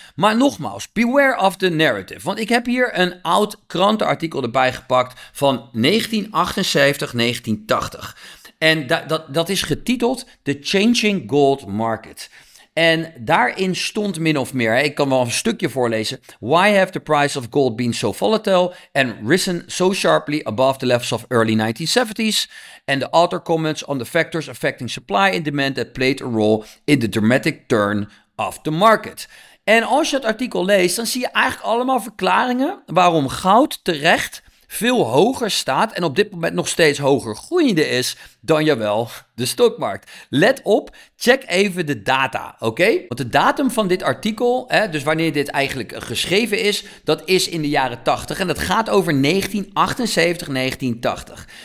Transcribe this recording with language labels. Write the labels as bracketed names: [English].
[Dutch] Maar nogmaals, [English] beware of the narrative. [Dutch] Want ik heb hier een oud krantenartikel erbij gepakt van 1978-1980. En dat is getiteld The Changing Gold Market. En daarin stond min of meer, ik kan wel een stukje voorlezen. [English] Why have the price of gold been so volatile and risen so sharply above the levels of early 1970s? And the author comments on the factors affecting supply and demand that played a role in the dramatic turn of the market. [Dutch] En als je het artikel leest, dan zie je eigenlijk allemaal verklaringen waarom goud terecht veel hoger staat en op dit moment nog steeds hoger groeiende is dan jawel de stokmarkt. Let op, check even de data, oké? Okay? Want de datum van dit artikel, hè, dus wanneer dit eigenlijk geschreven is, dat is in de jaren 80 en dat gaat over 1978-1980.